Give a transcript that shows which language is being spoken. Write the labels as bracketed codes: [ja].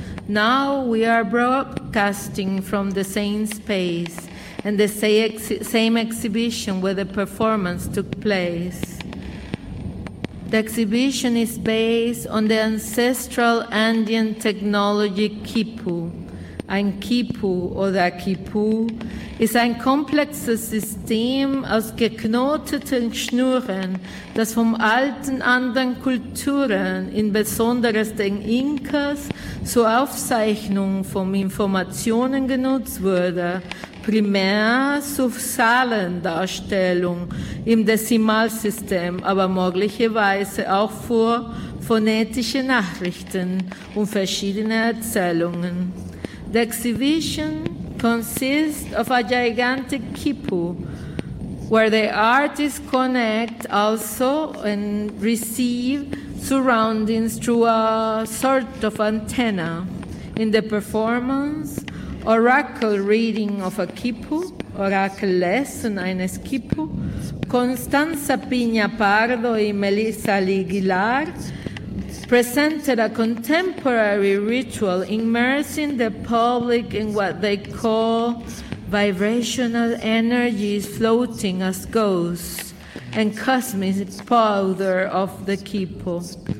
[en] Now we are broadcasting from the same space and the same exhibition where the performance took place. The exhibition is based on the ancestral Andean technology Kipu. Ankipu, or the Akipu, is a complex system [de] aus geknoteten Schnüren, das vom alten anderen Kulturen, in besonderes den Inkas, zur Aufzeichnung von Informationen genutzt wurde, primär zur Zahlendarstellung im Dezimalsystem, aber möglicherweise auch für phonetische Nachrichten und verschiedene Erzählungen. [en] The exhibition consists of a gigantic kipu, where the artist connects also and receives surroundings through a sort of antenna. In the performance, oracle reading of a kipu, oracle lesson [de] eines kipu, [en] Constanza Piña Pardo y Melissa Liguilar presented a contemporary ritual immersing the public in what they call vibrational energies floating as ghosts and cosmic powder of the Kipu.